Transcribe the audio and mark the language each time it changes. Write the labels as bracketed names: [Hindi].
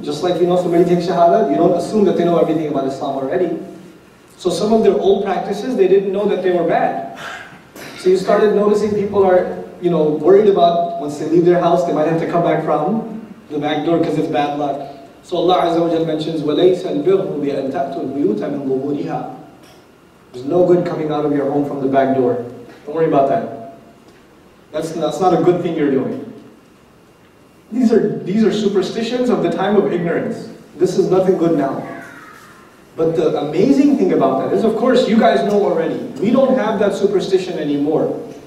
[English] Just like you know somebody takes Shahada, you don't assume that they know everything about Islam already. So some of their old practices, they didn't know that they were bad. So you started noticing people are, you know, worried about once they leave their house, they might have to come back from the back door because it's bad luck. So Allah Azza wa Jalla mentions, [Arabic] وَلَيْسَ الْبِرْهُ بِأَنْ تَأْتُوا الْبِيُوتَ مِنْ ظُهُورِهَا. [English] There's no good coming out of your home from the back door. Don't worry about that. That's not a good thing you're doing. These are superstitions of the time of ignorance. This is nothing good now. But the amazing thing about that is, of course, you guys know already, we don't have that superstition anymore.